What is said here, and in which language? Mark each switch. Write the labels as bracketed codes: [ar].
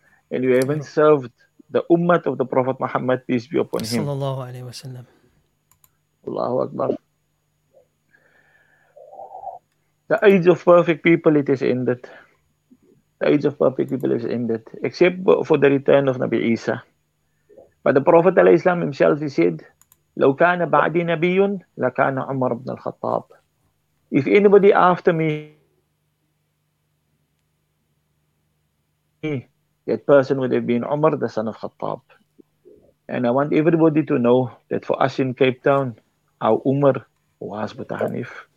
[en] And you haven't served the Ummah of the Prophet Muhammad, peace be upon him. [ar] Sallallahu alayhi wa sallam. Allahu Akbar. [en] The age of perfect people, it has ended. The age of perfect people has ended, except for the return of Nabi Isa. But the Prophet ﷺ himself, he said, [ar] لو كان بعدي نبي لكان عمر بن الخطاب. [en] If anybody after me, that person would have been Umar, the son of Khattab. And I want everybody to know that for us in Cape Town, our Umar was Buta Hanif.